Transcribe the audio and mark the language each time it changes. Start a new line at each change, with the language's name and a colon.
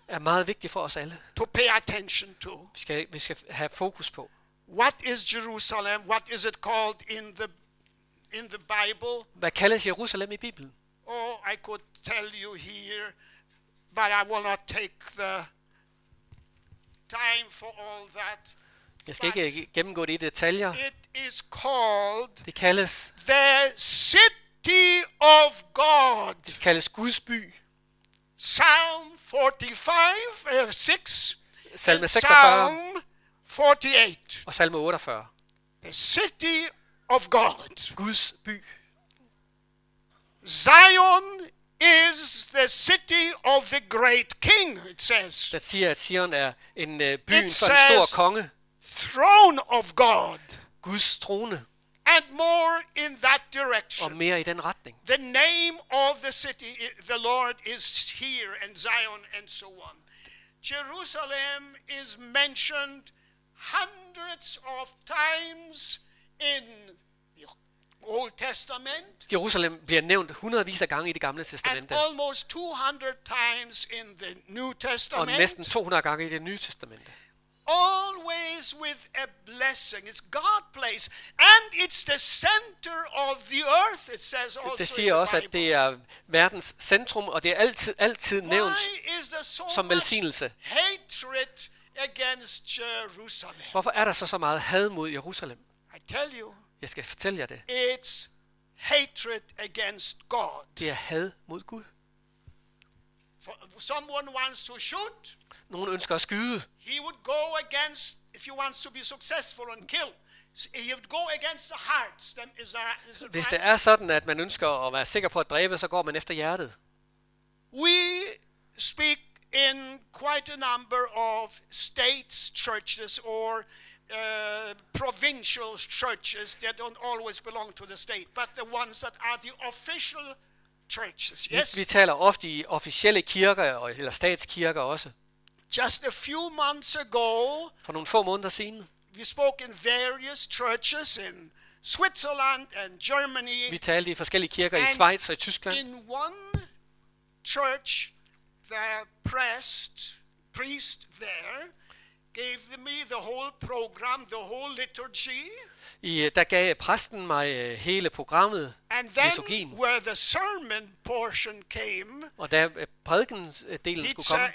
Danish: Er meget vigtig for os alle.
English: To pay attention to.
Danish: Vi skal have fokus på.
English: What is Jerusalem? What is it called in the Bible?
Danish: Hvad kaldes Jerusalem i Bibelen?
English: Oh, I could tell you here, but I will not take the time for all that.
Danish: Jeg skal ikke gennemgå det i detaljer.
English: It is called.
Danish: Det kaldes
English: the city of God.
Danish: Det kaldes Guds by.
English: Psalm 45, 6.
Danish: Salme 46.
English: Psalm 48.
Danish: Og salme 48.
English: The city of God.
Danish: Guds by.
English: Zion is the city of the great king, it says.
Danish: Det siger, at Zion er en byen for en stor konge.
English: Throne of God.
Danish: Guds trone.
English: And more in that direction.
Danish: Og mere i den retning.
English: The name of the city, the Lord is here, and Zion, and so on. Jerusalem is mentioned hundreds of times in the Old Testament.
Danish: Jerusalem bliver nævnt hundredvis af gange i det gamle testamente.
English: And almost 200 times in the New Testament.
Danish: Og næsten 200 gange i det nye testamente.
English: Always with a blessing. It's God place, and it's the center of the earth. It says also.
Danish: Det siger også, at det er verdens centrum, og det er altid nævnt som velsignelse.
English: Hatred against Jerusalem.
Danish: Hvorfor er der så meget had mod Jerusalem?
English: I tell you.
Danish: Jeg skal fortælle jer det.
English: It's hatred against God.
Danish: Det er had mod Gud.
English: Someone wants to shoot.
Danish: Nogen ønsker at skyde.
English: He would go against, if he wants to be successful and kill, he would go against the hearts. Then is there, right?
Danish: Hvis det er sådan, at man ønsker at være sikker på at dræbe, så går man efter hjertet.
English: We speak in quite a number of states, churches, or provincial churches that don't always belong to the state, but the ones that are the official churches. Yes.
Danish: Vi taler ofte i officielle kirker eller statskirker også.
English: Just a few months ago.
Danish: For nogle få måneder siden.
English: We spoke in various churches in Switzerland and Germany.
Danish: Vi talte i forskellige kirker i Schweiz og i Tyskland.
English: In one church, the priest there gave me the whole program, the whole liturgy.
Danish: I der gav præsten mig hele programmet,
English: and then,
Danish: liturgien.
English: Where the sermon portion came.
Danish: Og da prædikens delen skulle komme.